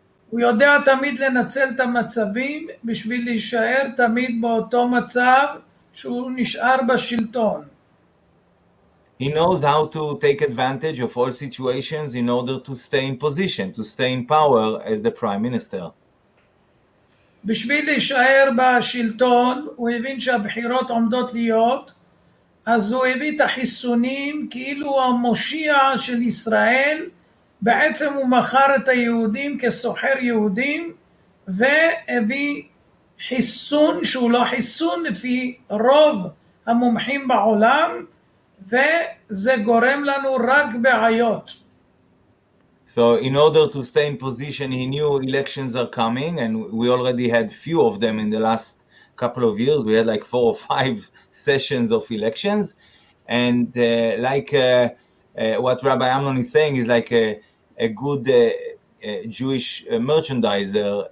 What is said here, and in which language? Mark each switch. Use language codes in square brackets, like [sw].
[he] הוא יודע תמיד לנצל את המצבים בשביל להישאר תמיד באותו מצב שהוא נשאר בשלטון. [en] He knows how to take advantage of all situations in order to stay in position, to stay in power as the prime minister. [he] בשביל להישאר בשלטון, הוא הבין שהבחירות עומדות להיות, אז הוא הביא את החיסונים, כאילו המושיע של ישראל, בעצם הוא מכר את היהודים כסוחר יהודים, והביא חיסון שהוא לא חיסון לפי רוב המומחים בעולם, וזה גורם לנו רק בעיות. [en] So in order to stay in position, he knew elections are coming, and we already had few of them in the last couple of years. We had like 4 or 5 sessions of elections. And what Rabbi Amnon is saying is like a good Jewish merchandiser.